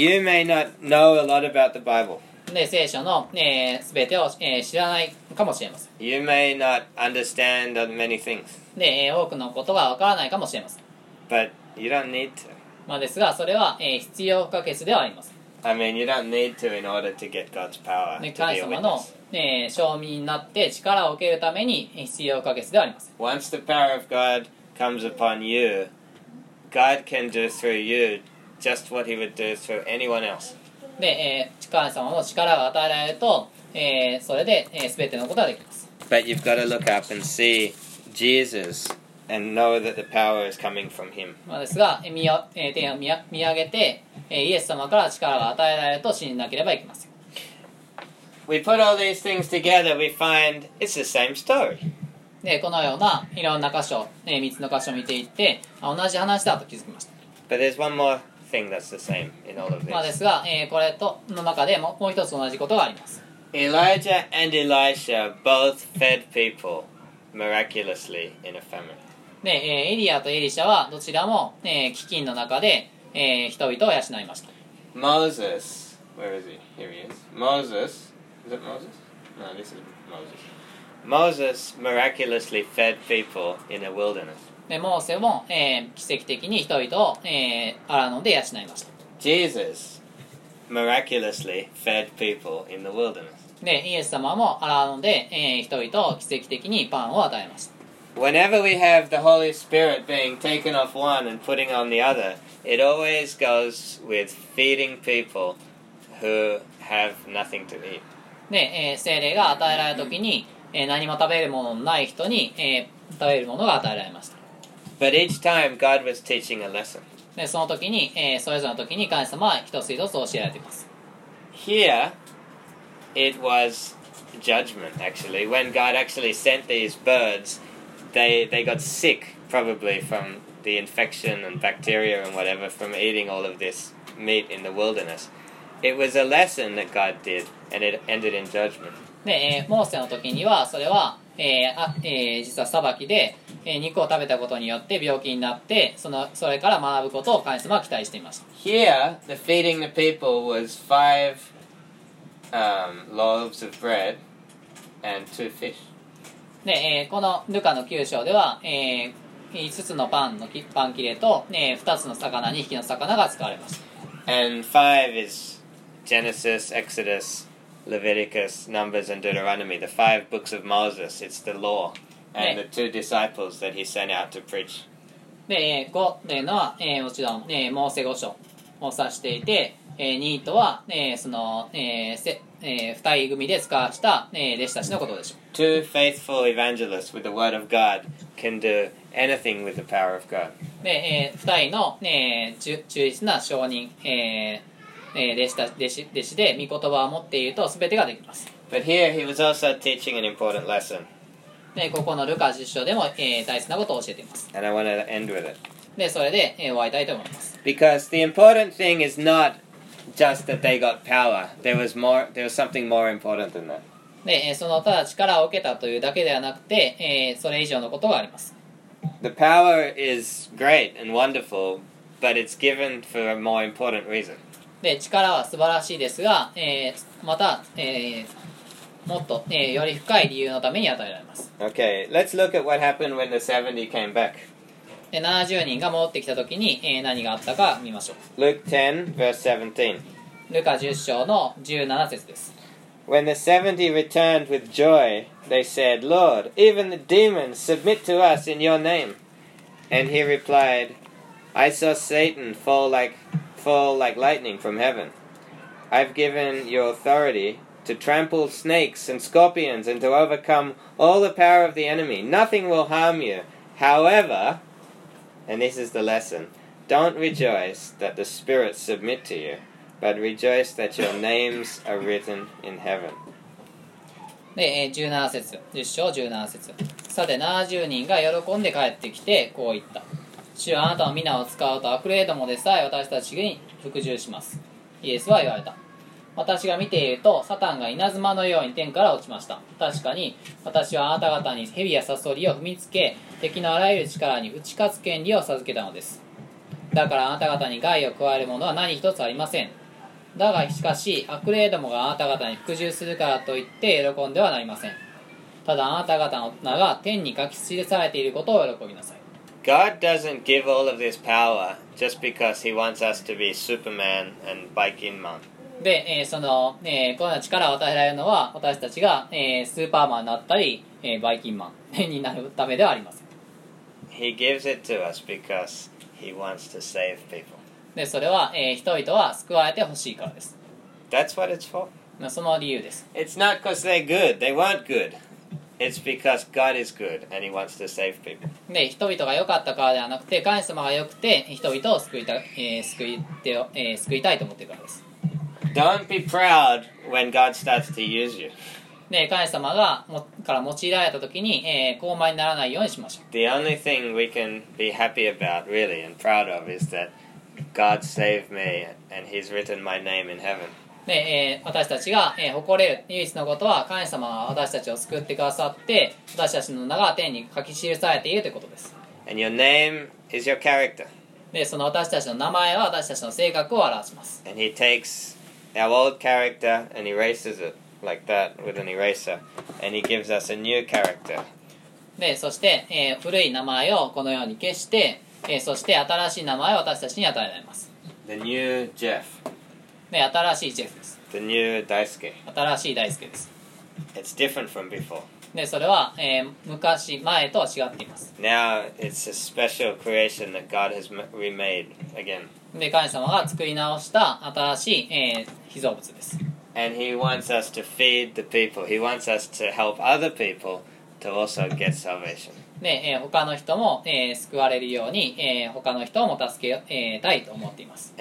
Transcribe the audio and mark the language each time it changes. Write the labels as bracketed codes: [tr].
[en] You may not know a lot about the Bible. [ja] で聖書の、全てを、知らないかもしれません。 [en] You may not understand many things. [ja] で、多くのことがわからないかもしれません。 [en] But you don't need to. [ja] まあですが、それは、必要不可欠ではあります。 [en] I mean, you don't need to in order to get God's power to be a witness. [ja] 神様の、証人になって力を受けるために必要不可欠ではあります。 [en] Once the power of God comes upon you, God can do through you just what he would do through anyone else. [ja] で、神様の力が与えられると、それで、全てのことができます。 [en] But you've got to look up and see Jesus and know that the power is coming from him. [ja] まあですが、天を見上げて、イエス様から力が与えられると信じなければいけません。 [en] We put all these things together, we find it's the same story. [ja] で、このようないろんな箇所、3つの箇所を見ていって、同じ話だと気づきました。 [en] But there's one more. Thing that's the same in all of this. [ja] まあですが、これとの中でももう一つ同じことがあります。 [en] Elijah and Elisha both fed people miraculously in a famine. [ja] で、エリアとエリシャはどちらも、飢饉の中で、人々を養いました。 [en] Moses, where is he? Here he is. Moses, is it Moses? No, this is Moses. Moses miraculously fed people in a wilderness. [ja] でモーセも、奇跡的に人々を、アラノで養いました。 [en] Jesus miraculously fed people in the wilderness. [ja] でイエス様もアラノで、人々を奇跡的にパンを与えました。 [en] Whenever we have the Holy Spirit being taken off one and putting on the other, it always goes with feeding people who have nothing to eat. [ja] で、聖霊が与えられた時に、何も食べるもののない人に、食べるものが与えられました。 [en] But each time God was teaching a lesson. [ja] でその時に、それぞれの時に神様は一つ一つ教えられています。 [en] Here, it was judgment actually. When God actually sent these birds, they got sick probably from the infection and bacteria and whatever from eating all of this meat in the wilderness. It was a lesson that God did, and it ended in judgment. [ja] で、モーセの時にはそれは、実は裁きで。肉を食べたことによって病気になってそれから学ぶことを神様は期待していました。 [en] Here, the feeding the people was five, loaves of bread and two fish. [ja] で、このルカの9章では、5つのパン切れと、2つの魚、2匹の魚が使われました。 [en] And five is Genesis, Exodus, Leviticus, Numbers and Deuteronomy, the five books of Moses, it's the law. And the two disciples that he sent out to preach. [ja] で、五というのは、もちろん、モーセ五章を指していて、二とは、その、二人組で使わした、弟子たちのことでしょう。 [en] Two faithful evangelists with the word of God can do anything with the power of God. [ja] で、二人の、忠実な証人、弟子で御言葉を持っていると全てができます。 [en] But here he was also teaching an important lesson. [ja] でここのルカ実証でも、大切なことを教えています。 [en] And I want to end with it. [ja] でそれで、終わりたいと思います。 [en] Because the important thing is not just that they got power. There was something more important than that. [ja] で、そのただ力を受けたというだけではなくて、それ以上のことがあります。 [en] The power is great and wonderful, but it's given for a more important reason. [ja] で力は素晴らしいですが、また、もっと、より深い理由のために与えられます。 [en] Okay, let's look at what happened when the 70 came back. [ja] 70人が戻ってきた時に、何があったか見ましょう。 [en] Luke 10, verse 17. [ja] ルカ10章の17節です。 [en] When the 70 returned with joy, they said, Lord, even the demons submit to us in your name. And he replied, I saw Satan fall like lightning from heaven. I've given your authority... to trample snakes and scorpions and to overcome all the power of the enemy. Nothing will harm you. However, and this is the lesson, don't rejoice that the spirits submit to you, but rejoice that your names are written in heaven. [ja] で、17節、10章17節。さて70人が喜んで帰ってきてこう言った。主はあなたの皆を使うと悪霊どもでさえ私たちに服従します。イエスは言われた。私が見ているとサタンが稲妻のように天から落ちました。確かに私はあなた方に蛇やサソリを踏みつけ、敵のあらゆる力に打ち勝つ権利を授けたのです。だからあなた方に害を加えるものは何一つありません。だがしかし悪霊どもがあなた方に服従するからといって喜んではなりません。ただあなた方の名が天に書き記されていることを喜びなさい。 [en] God doesn't give all of this power just because he wants us to be Superman and Viking monk. [ja] で、その、このような力を与えられるのは私たちが、スーパーマンになったり、バイキンマンになるためではありません。 [en] He gives it to us because he wants to save people. [ja] で、それは、人々は救われてほしいからです。 [en] That's what it's for. [ja] その理由です。 [en] It's not because they're good, they weren't good. It's because God is good and He wants to save people. [ja] で、人々が良かったからではなくて、神様が良くて人々を救いた、救いたいと思っているからです。 [en] Don't be proud when God starts to use you. [ja] で、神様がから用いられた時に、傲慢にならないようにしましょう。 [en] The only thing we can be happy about, really, and proud of is that God saved me and He's written my name in heaven. [ja] で、私たちが、誇れる唯一のことは、神様は私たちを救ってくださって、私たちの名が天に書き記されているということです。 [en] And your name is your character. [ja] で、その私たちの名前は私たちの性格を表します。 [en] And he takes our old character and erases it like that with an eraser, and he gives us a new character. [ja] で、そして、古い名前をこのように消して、そして新しい名前を私たちに与えられます。 [en] The new Jeff. [ja] ね、新しいジェフです。 [en] The new Daisuke. [ja] 新しい大輔です。 [en] It's different from before. [ja] で、それは、昔前とは違っています。 [en] Now it's a special creation that God has remade again. [ja] で、神様が作り直した新しい、被造物です。 [en] And he wants us to feed the people. He wants us to help other people to also get salvation. [ja] で、他の人も、救われるように、他の人も助け、たいと思っています。